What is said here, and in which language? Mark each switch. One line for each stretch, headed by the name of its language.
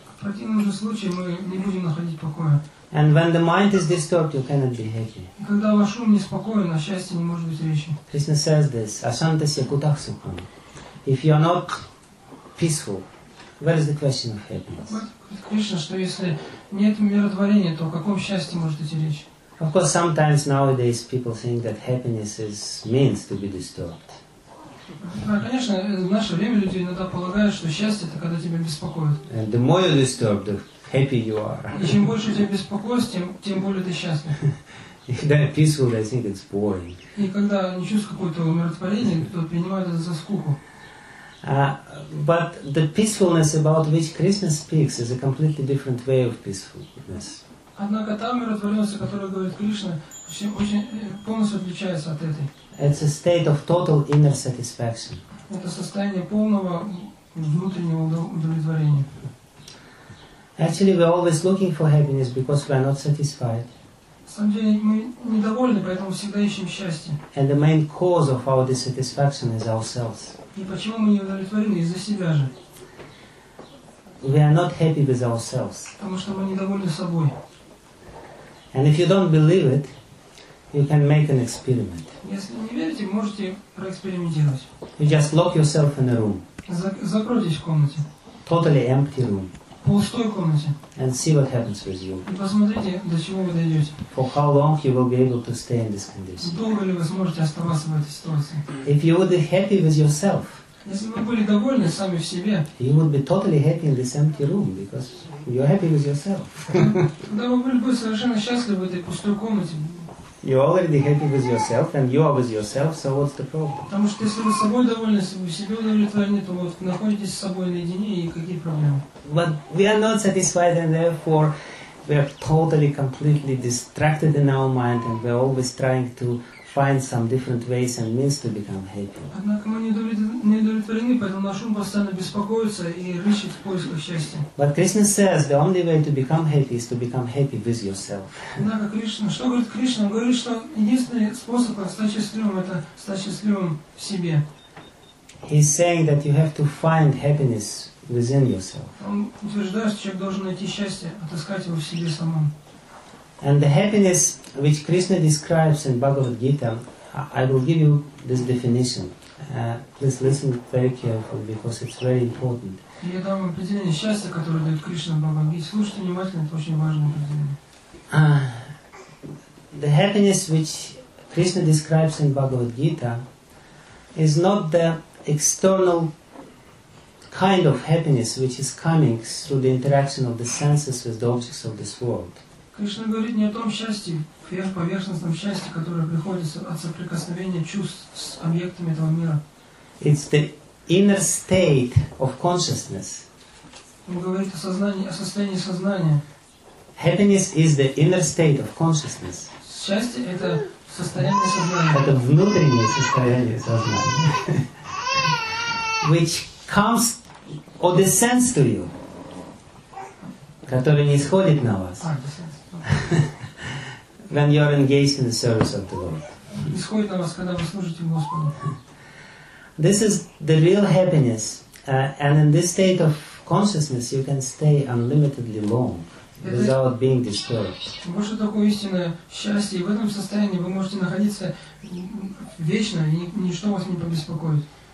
Russian: В противном же случае, мы не будем находить покоя.
English: And when the mind is disturbed, you cannot be happy.
Russian: Когда ваш ум неспокоен, о счастье не может быть речи.
English: Krishna says this:
Sanskrit: Ашантасья кутах сукхам.
English: If you are not peaceful, where is the question of happiness?
Russian: Krishna, что если нет миротворения, то о каком счастье может идти речь?
English: Of course, sometimes nowadays people think that happiness means to be disturbed.
Russian: Да, конечно, в наше время люди иногда полагают, что счастье — это когда тебя беспокоят.
English: And the more you disturb, the happy you are.
Russian: И чем больше тебя беспокоит, тем более ты счастлив. Когда я
English: peaceful, I think it's boring.
Russian: И когда не чувствуешь какое-то умиротворение, то принимают это за скуку.
English: But the peacefulness about which Krishna speaks is a completely different way of peacefulness.
Russian: Однако та умиротворенность, о которой говорит Кришна, полностью отличается от этой.
English: It's a state of total inner satisfaction.
Russian: Это состояние полного внутреннего удовлетворения.
English: Actually, we're always looking for happiness because we are not satisfied.
Russian: На самом деле мы недовольны, поэтому всегда ищем счастье.
English: And the main cause of our dissatisfaction is ourselves.
Russian: И почему мы не удовлетворены? Из-за себя же.
English: We are not happy with ourselves.
Russian: Потому что мы недовольны собой.
English: And if you don't believe it, you can make an experiment.
Russian: Если не верите, можете проэкспериментировать.
English: You just lock yourself in a room.
Russian: Закройтесь в комнате.
English: Totally empty room.
Russian: Пустой комнате.
English: And see what happens with you.
Russian: И посмотрите, до чего вы дойдете.
English: For how long you will be able to stay in this condition.
Russian: Долго ли вы сможете оставаться в этой ситуации?
English: If you would be happy with yourself,
Russian: если вы были довольны сами в себе,
English: you would be totally happy in this empty room, because you're happy with yourself.
Russian: Когда вы были бы совершенно счастливы в этой пустой комнате.
English: You're already happy with yourself, and you are with yourself, so what's the problem?
Russian: Потому что если вы с собой довольны, если вы себе удовлетворены, то вот находитесь с собой наедине, и какие проблемы?
English: But we are not satisfied, and therefore we are totally, completely distracted in our mind, and we're always trying to find some different ways and means to become happy.
Russian: Однако мы не удовлетворены, поэтому наш ум постоянно беспокоится и рыщет в поисках счастья.
English: But Krishna says the only way to become happy is to become happy with yourself.
Russian: Однако Кришна, что говорит Кришна? Говорит, что единственный способ стать счастливым — это стать счастливым в себе.
English: He's saying that you have to find happiness within yourself.
Russian: Он утверждает, что человек должен найти счастье, отыскать его в себе самом.
English: And the happiness which Krishna describes in Bhagavad Gita, I will give you this definition. Please listen very carefully because it's very important.
Russian: Я дам вам определение счастья, которое дает Кришна в Бхагавад Гите. Слушайте внимательно, это очень важное определение.
English: The happiness which Krishna describes in Bhagavad Gita is not the external kind of happiness which is coming through the interaction of the senses with the objects of this world.
Russian: Кришна говорит не о том счастье, поверхностном счастье, которое приходит от соприкосновения чувств с объектами этого мира.
English: It's the inner state of consciousness.
Russian: Он говорит о сознании, о состоянии сознания.
English: Happiness is the inner state of consciousness.
Russian: Счастье — это состояние сознания. Это внутреннее состояние сознания.
English: Which comes or descends to you.
Russian: Которое не исходит на вас.
English: When you are engaged in the service of the Lord.
Russian: Исходит на вас, когда вы служите Господу.
English: This is the real happiness, and in this state of consciousness you can stay unlimitedly long without being disturbed.
Russian: Вот что такое истинное счастье. В этом состоянии вы можете находиться вечно, и ничто вас не побеспокоит.